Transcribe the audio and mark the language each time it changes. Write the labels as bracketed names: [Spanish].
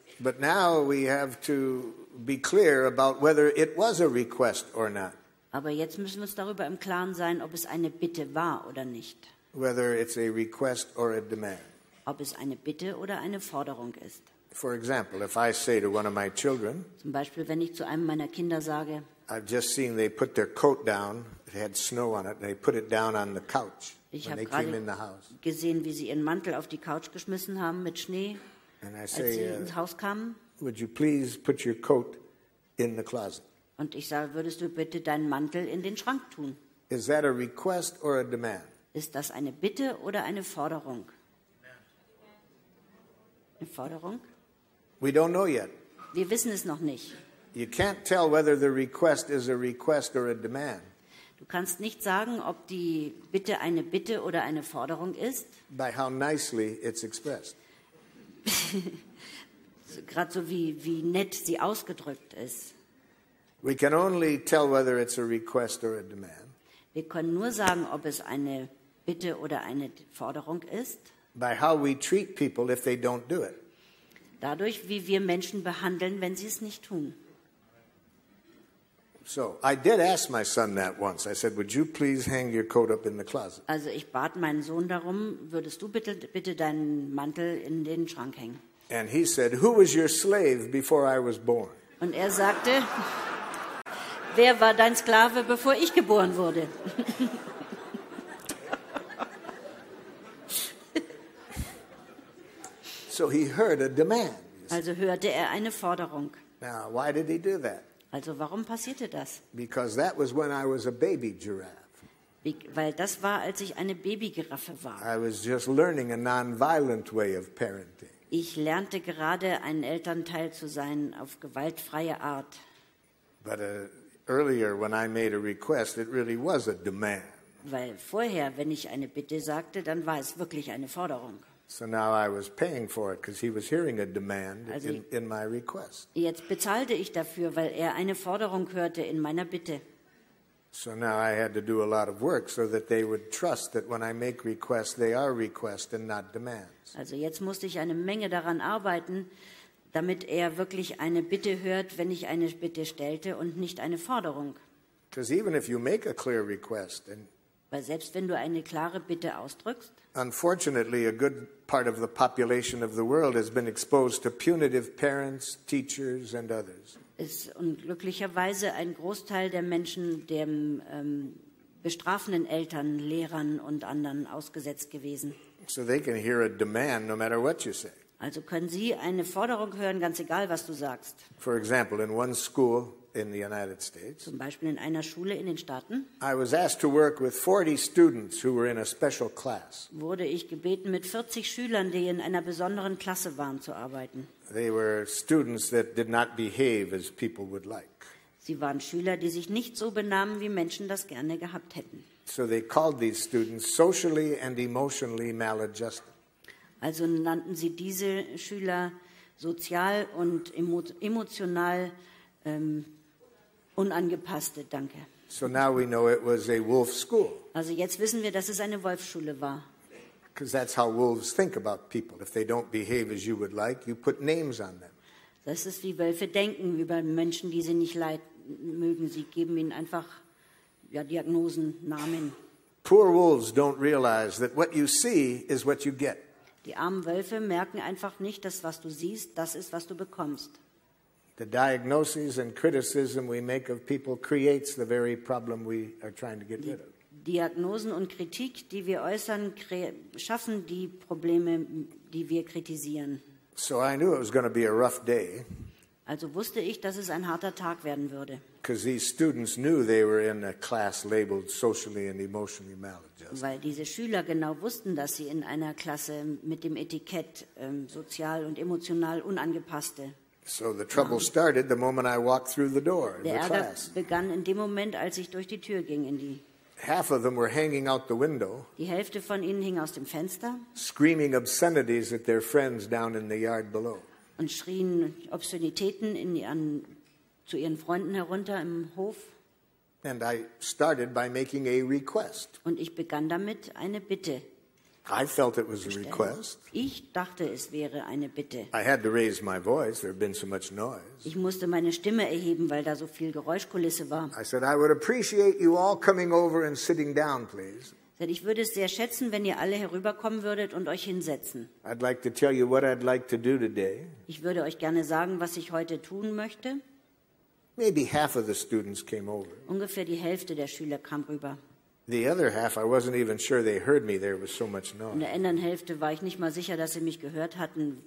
[English] But now we have to be clear about whether it was a request or not. [German] Aber jetzt müssen wir uns darüber im Klaren sein, ob es eine Bitte war oder nicht. [English] Whether it's a request or a demand. [German] Ob es eine Bitte oder eine Forderung ist. [English] For example, if I say to one of my children, [German] zum Beispiel, wenn ich zu einem meiner Kinder sage, [English] I've just seen they put their coat down, it had snow on it, and they put it down on the couch when they came in the house. [German] Gesehen, wie sie ihren Mantel auf die Couch geschmissen haben mit Schnee, [English] and I say, [German] als sie ins Haus kamen, [English] would you please put your coat in the closet? [German] Und ich sage, würdest du bitte deinen Mantel in den Schrank tun? [English] Is that a request or a demand? [German] Ist das eine Bitte oder eine Forderung? Eine Forderung? [English] We don't know yet. [German] Wir wissen es noch nicht. [English] You can't tell whether the request is a request or a demand. [German] Du kannst nicht sagen, ob die Bitte eine Bitte oder eine Forderung ist. [English] By how nicely it's expressed. [German] Gerade so wie nett sie ausgedrückt ist. [English] We can only tell whether it's a request or a demand. [German] Wir können nur sagen, ob es eine Bitte oder eine Forderung ist. [English] By how we treat people if they don't do it. [German] Dadurch, wie wir Menschen behandeln, wenn sie es nicht tun. [English] So, I did ask my son that once. I said, would you please hang your coat up in the closet? [German] Also ich bat meinen Sohn darum, würdest du bitte deinen Mantel in den Schrank hängen? [English] And he said, who was your slave before I was born? [German] Und er sagte, wer war dein Sklave, bevor ich geboren wurde? [English] So he heard a demand. [German] Also hörte er eine Forderung. [English] Now, why did he do that? [German] Also warum passierte das? [English] Because that was when I was a baby giraffe. [German] Weil das war, als ich eine Babygiraffe war. [English] I was just learning a non-violent way of parenting. [German] Ich lernte gerade, ein Elternteil zu sein auf gewaltfreie Art. [English] But earlier when I made a request, it really was a demand. [German] Weil vorher, wenn ich eine Bitte sagte, dann war es wirklich eine Forderung. [English] So now I was paying for it because he was hearing a demand in my request. [German] Jetzt bezahlte ich dafür, weil er eine Forderung hörte in meiner Bitte. [English] So now I had to do a lot of work so that they would trust that when I make requests, they are requests and not demands. [German] Also jetzt musste ich eine Menge daran arbeiten, damit er wirklich eine Bitte hört, wenn ich eine Bitte stellte und nicht eine Forderung. [English] Because even if you make a clear request and [German] weil selbst wenn du eine klare Bitte ausdrückst, [English] unfortunately, a good part of the population of the world has been exposed to punitive parents, teachers, and others. [German] Ist unglücklicherweise ein Großteil der Menschen dem bestrafenden Eltern, Lehrern und anderen ausgesetzt gewesen. [English] So they can hear a demand, no matter what you say. [German] Also können sie eine Forderung hören, ganz egal was du sagst. [English] For example, in one school in the United States. [German] Zum Beispiel in einer Schule in den Staaten. [English] I was asked to work with 40 students who were in a special class. [German] Wurde ich gebeten, mit 40 Schülern, die in einer besonderen Klasse waren, zu arbeiten. [English] They were students that did not behave as people would like. [German] Sie waren Schüler, die sich nicht so benahmen, wie Menschen das gerne gehabt hätten. [English] So they called these students socially and emotionally maladjusted. [German] Also nannten sie diese Schüler sozial und emotional unangepasste, danke. [English] So now we know it was a wolf school. [German] Also jetzt wissen wir, dass es eine Wolfsschule war. [English] Because that's how wolves think about people. If they don't behave as you would like, you put names on them. [German] Das ist wie Wölfe denken über Menschen, die sie nicht leiden mögen. Sie geben ihnen einfach ja, Diagnosen, Namen. [English] Poor wolves don't realize that what you see is what you get. [German] Die armen Wölfe merken einfach nicht, dass was du siehst, das ist, was du bekommst. [English] The diagnoses and criticism we make of people creates the very problem we are trying to get rid of. [German] Diagnosen und Kritik, die wir äußern, schaffen die Probleme, die wir kritisieren. [English] So I knew it was going to be a rough day. [German] Also wusste ich, dass es ein harter Tag werden würde. [English] Because these students knew they were in a class labeled socially and emotionally maladjusted. [German] Weil diese Schüler genau wussten, dass sie in einer Klasse mit dem Etikett sozial und emotional unangepasste. [English] So the trouble started the moment I walked through the door in the class. [German] Der Ärger begann in dem Moment, als ich durch die Tür ging in die. [English] Half of them were hanging out the window. [German] Die Hälfte von ihnen hing aus dem Fenster. [English] Screaming obscenities at their friends down in the yard below. [German] Und schrien Obszönitäten zu ihren Freunden herunter im Hof. [English] And I started by making a request. [German] Und ich begann damit, eine Bitte. [English] I felt it was a request. [German] Ich dachte, es wäre eine Bitte. [English] I had to raise my voice. There had been so much noise. [German] Ich musste meine Stimme erheben, weil da so viel Geräuschkulisse war. [English] I said, I would appreciate you all coming over and sitting down, please. [German] Ich würde es sehr schätzen, wenn ihr alle herüberkommen würdet und euch hinsetzen. [English] I'd like to tell you what I'd like to do today. [German] Ich würde euch gerne sagen, was ich heute tun möchte. [English] Maybe half of the students came over. [German] Ungefähr die Hälfte der Schüler kam rüber. [English] The other half, I wasn't even sure they heard me. There was so much noise. [German] In der anderen Hälfte war ich nicht mal sicher, dass sie mich gehört hatten.